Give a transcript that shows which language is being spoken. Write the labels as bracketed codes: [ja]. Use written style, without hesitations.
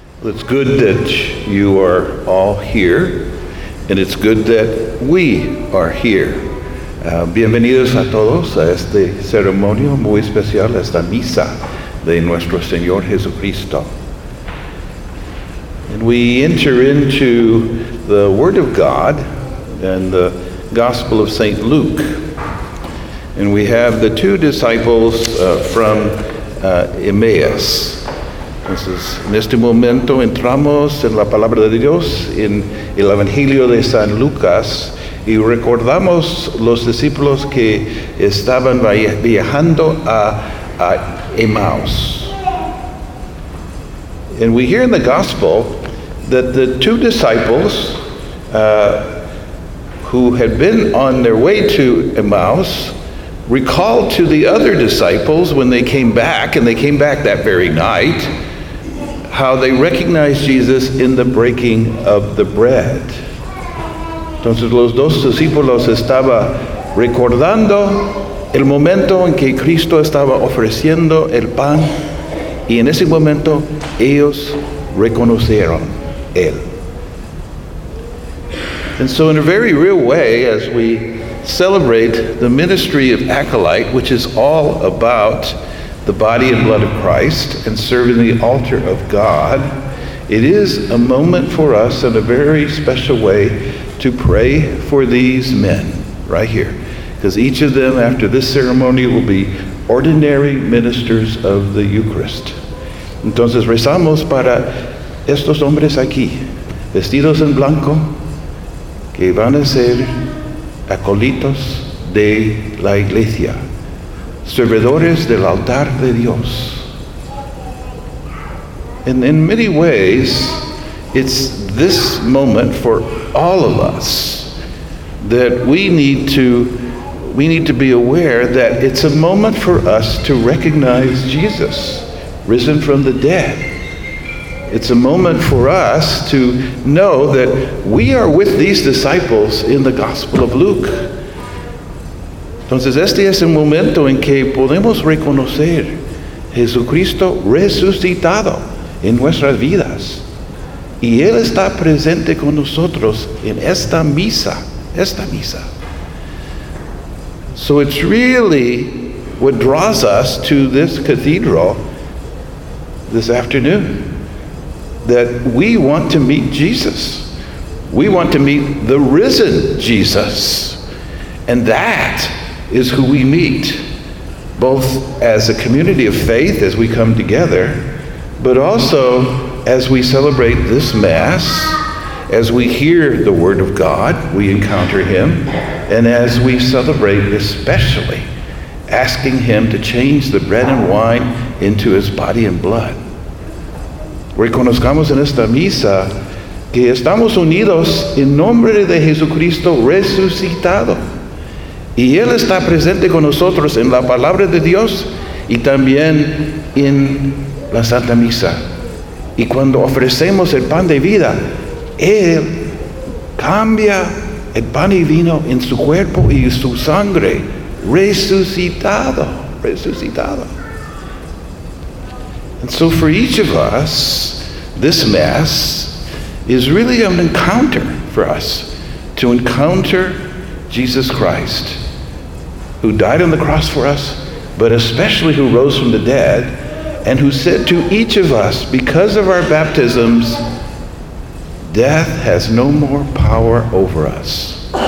[en] It's good that you are all here, and it's good that we are here. [es] Bienvenidos a todos a este ceremonio muy especial, esta misa de nuestro Señor Jesucristo. [en] And we enter into the Word of God and the Gospel of St. Luke. And we have the two disciples from Emmaus. [es] Entonces, en este momento entramos en la Palabra de Dios, en el Evangelio de San Lucas, y recordamos los discípulos que estaban viajando a Emmaus. [en] And we hear in the Gospel that the two disciples who had been on their way to Emmaus recall to the other disciples when they came back, and they came back that very night, how they recognized Jesus in the breaking of the bread. [es] Entonces los dos discípulos estaba recordando el momento en que Cristo estaba ofreciendo el pan, y en ese momento ellos reconocieron él. [en] And so in a very real way, as we celebrate the ministry of Acolyte, which is all about the body and blood of Christ and serving the altar of God, it is a moment for us in a very special way to pray for these men right here, because each of them after this ceremony will be ordinary ministers of the Eucharist. [es] Entonces rezamos para estos hombres aquí, vestidos en blanco, que van a ser acólitos de la iglesia, servidores del altar de Dios. [en] And in many ways, it's this moment for all of us that we need to be aware that it's a moment for us to recognize Jesus risen from the dead. It's a moment for us to know that we are with these disciples in the Gospel of Luke. [es] Entonces, este es el momento en que podemos reconocer Jesucristo resucitado en nuestras vidas. Y Él está presente con nosotros en esta misa, esta misa. [en] So it's really what draws us to this cathedral this afternoon, that we want to meet Jesus. We want to meet the risen Jesus. And that is who we meet, both as a community of faith as we come together, but also as we celebrate this Mass, as we hear the Word of God, we encounter Him, and as we celebrate especially asking Him to change the bread and wine into His body and blood. [es] Reconozcamos en esta misa que estamos unidos en nombre de Jesucristo resucitado. Y Él está presente con nosotros en la Palabra de Dios y también en la Santa Misa. Y cuando ofrecemos el pan de vida, Él cambia el pan y vino en su cuerpo y su sangre, resucitado, resucitado. [en] And so for each of us, this Mass is really an encounter for us to encounter Jesus Christ, who died on the cross for us, but especially who rose from the dead, and who said to each of us, because of our baptisms, death has no more power over us.